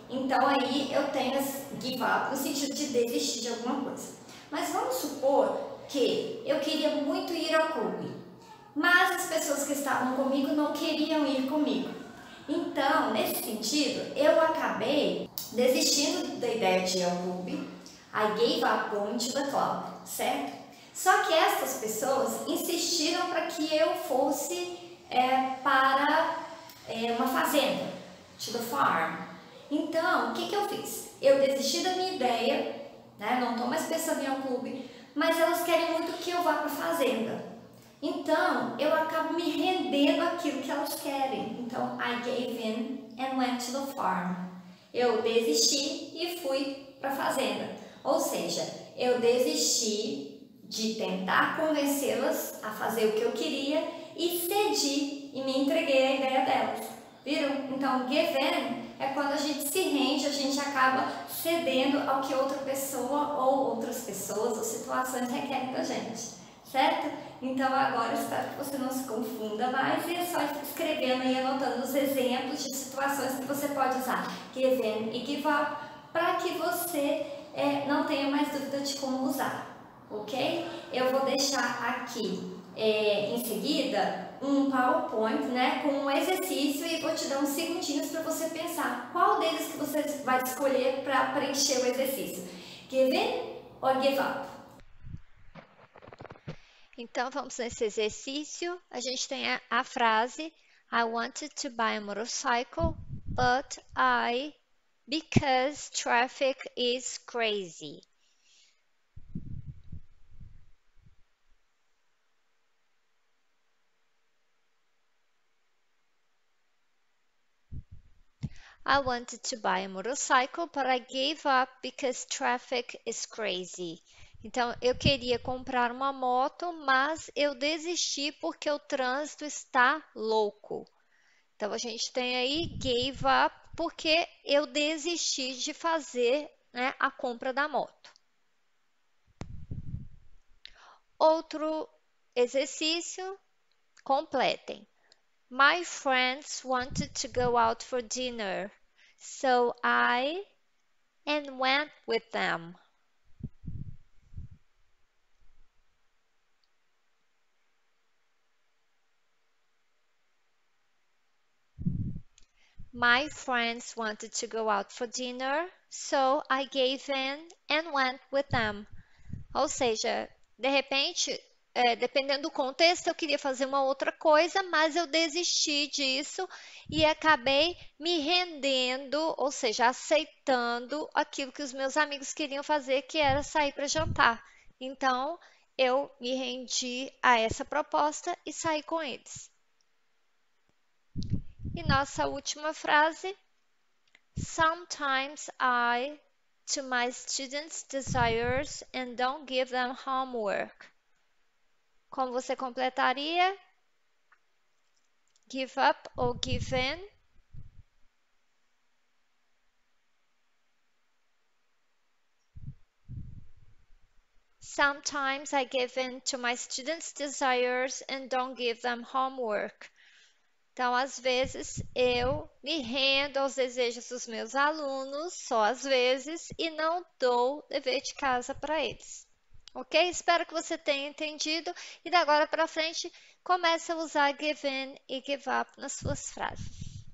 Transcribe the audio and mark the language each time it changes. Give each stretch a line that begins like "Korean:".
Portuguese: Então aí eu tenho esse give up no sentido de desistir de alguma coisa. Mas vamos supor que eu queria muito ir ao clube, mas as pessoas que estavam comigo não queriam ir comigo. Então, nesse sentido, eu acabei desistindo da ideia de ir ao clube.
English: I gave up going to the club, certo?
Portuguese: Só que essas pessoas insistiram para que eu fosse para uma fazenda,
English: to the farm.
Portuguese: Então, o que, que eu fiz? Eu desisti da minha ideia, né? Não estou mais pensando em ir ao clube, mas elas querem muito que eu vá para a fazenda. Então, eu acabo me rendendo aquilo que elas querem.
English: Então, I gave in and went to the farm.
Portuguese: Eu desisti e fui para a fazenda. Ou seja, eu desisti de tentar convencê-las a fazer o que eu queria e cedi e me entreguei à ideia delas. Viram? Então, give in é quando a gente se rende, a gente acaba cedendo ao que outra pessoa ou outras pessoas ou situações requerem da gente. Certo? Então agora espero que você não se confunda mais e é só escrevendo e anotando os exemplos de situações que você pode usar give in e give up para que você não tenha mais dúvida de como usar, ok? Eu vou deixar aqui em seguida um PowerPoint, né, com um exercício e vou te dar uns segundinhos para você pensar qual deles que você vai escolher para preencher o exercício, give in ou give up? Então, vamos nesse exercício. A gente tem a frase
English: I wanted to buy a motorcycle, but I, because traffic is crazy. I wanted to buy a motorcycle, but I gave up because traffic is crazy.
Portuguese: Então, eu queria comprar uma moto, mas eu desisti porque o trânsito está louco. Então, a gente tem aí, gave up, porque eu desisti de fazer, né, a compra da moto. Outro exercício, completem.
English: My friends wanted to go out for dinner, so I and went with them. My friends wanted to go out for dinner, so I gave in and went with them.
Portuguese: Ou seja, de repente, dependendo do contexto, eu queria fazer uma outra coisa, mas eu desisti disso e acabei me rendendo, ou seja, aceitando aquilo que os meus amigos queriam fazer, que era sair para jantar. Então, eu me rendi a essa proposta e saí com eles. E nossa última frase,
English: sometimes I to my students' desires and don't give them homework.
Portuguese: Como você completaria?
English: Give up or give in? Sometimes I give in to my students' desires and don't give them homework.
Portuguese: Então, às vezes, eu me rendo aos desejos dos meus alunos, só às vezes, e não dou dever de casa para eles. Ok? Espero que você tenha entendido. E da agora para frente, comece a usar give in e give up nas suas frases.